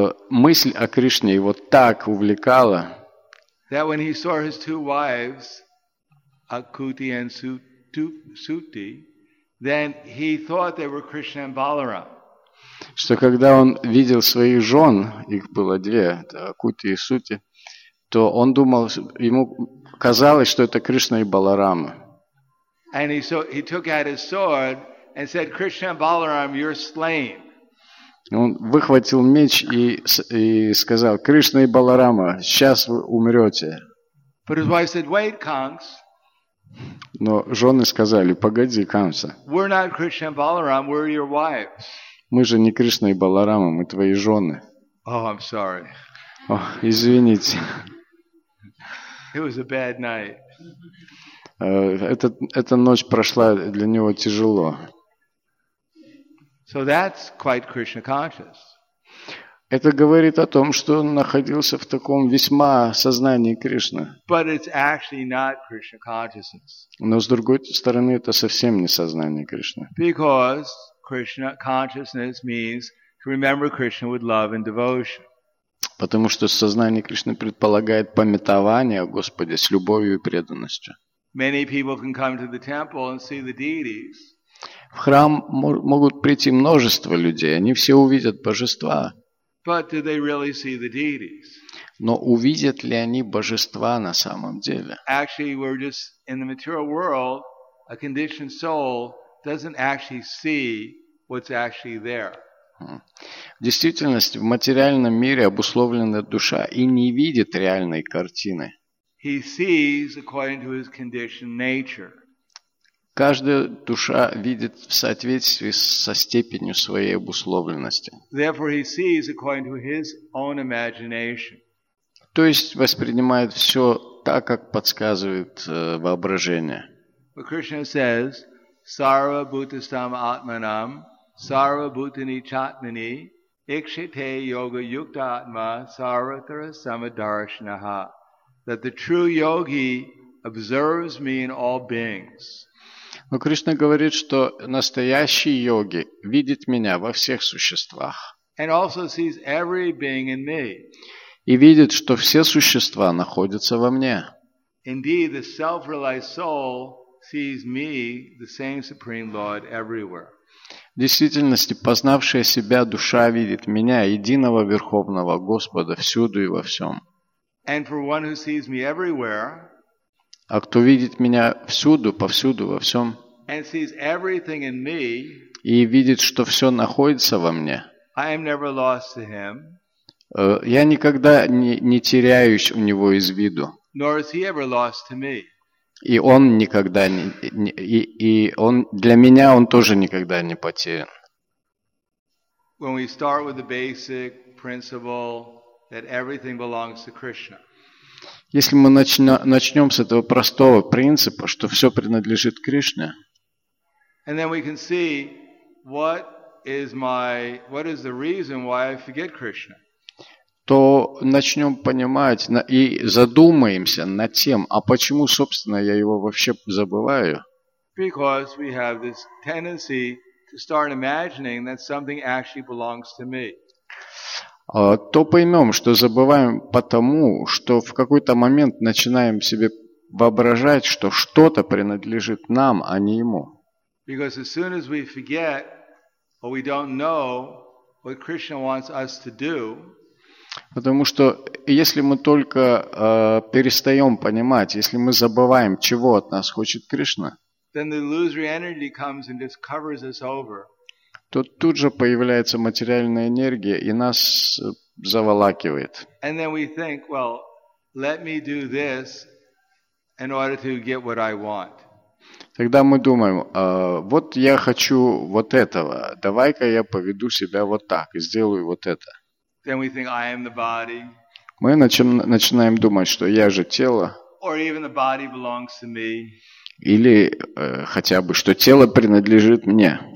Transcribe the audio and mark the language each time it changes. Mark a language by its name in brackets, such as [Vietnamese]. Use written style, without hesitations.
[Russian] Мысль о Кришне его так увлекала, [English] That when he saw his two wives, Akuti and Suti, then he thought they were Krishna and Balaram. [Russian] что когда он видел своих жен, их было две, Кути и Сути, то он думал, ему казалось, что это Кришна и Баларама. [English] And he took out his sword and said, Krishna and Balaram, you're slain. [Russian] Он выхватил меч и сказал, Кришна и Баларама, сейчас вы умрете. [English] But his wife said, wait, Kanks. [Russian] Но жены сказали, погоди, Канса. [English] We're not Krishna and Balaram, we're your wives. [Russian] Мы же не Кришна и Баларама, мы твои жены. [English] Oh, I'm sorry. [Russian] Oh, извините. [English] It was a bad night. [Russian] Эта ночь прошла для него тяжело. [English] So that's quite Krishna conscious. [Russian] Это говорит о том, что он находился в таком весьма сознании Кришны. [English] But it's actually not Krishna consciousness. [Russian] Но с другой стороны, это совсем не сознание Кришны. [English] Because Krishna consciousness means to remember Krishna with love and devotion. [Russian] Потому что сознание Кришны предполагает памятование о Господе с любовью и преданностью. [English] Many people can come to the temple and see the deities. [Russian] В храм могут прийти множество людей, они все увидят божества. [English] But do they really see the deities? [Russian] Но увидят ли они божества на самом деле? [English] Actually, we're just in the material world, a conditioned soul doesn't actually see what's actually there. [Russian] В действительности, в материальном мире обусловленная душа и не видит реальной картины. [English] He sees according to his conditioned nature. [Russian] Каждая душа видит в соответствии со степенью своей обусловленности. [English] Therefore, he sees according to his own imagination. [Russian] То есть воспринимает все так, как подсказывает воображение. [English] But Krishna says, [Sanskrit] Sarva Bhutastam Atmanam, Sarva Bhutani Chatmani, Ikshite Yoga Yukta Atma, Sarvatra Samadarshanaha. [English] That the true yogi observes me in all beings. [Russian] Но Кришна говорит, что настоящий йоги видит меня во всех существах. [English] And also sees every being in me. [Russian] И видит, что все существа находятся во мне. [English] Indeed, the self-realized soul sees me, the same supreme Lord, everywhere. [Russian] В действительности, познавшая себя душа видит меня, единого верховного Господа, всюду и во всем. [English] And for one who sees me everywhere, [Russian] а кто видит меня всюду, повсюду, во всем, [English] and sees everything in me, [Russian] и видит, что все находится во мне, [English] I am never lost to him, [Russian] я никогда не теряюсь у него из виду. [English] Nor is he ever lost to me. [Russian] И он никогда он для меня он тоже никогда не потерян. [English] When we start with the basic principle that everything belongs to Krishna. [Russian] Если мы начнем с этого простого принципа, что все принадлежит Кришне. [English] And then we can see what is the reason why I forget Krishna. [Russian] То начнем понимать и задумаемся над тем, а почему, собственно, я его вообще забываю? [English] Because we have this tendency to start imagining that something actually belongs to me. [Russian] То поймем, что забываем потому, что в какой-то момент начинаем себе воображать, что что-то принадлежит нам, а не ему. [English] Because as soon as we forget, or we don't know what Krishna wants us to do, [Russian] потому что если мы только перестаем понимать, если мы забываем, чего от нас хочет Кришна, [English] then the illusory energy comes and just covers us over. [Russian] То тут же появляется материальная энергия и нас заволакивает. [English] And then we think, well, let me do this in order to get what I want. [Russian] Тогда мы думаем, вот я хочу вот этого, давай-ка я поведу себя вот так и сделаю вот это. [English] Then we think, I am the body. [Russian] Мы начинаем думать, что я же тело. [English] Or even the body belongs to me. [Russian] Или хотя бы, что тело принадлежит мне.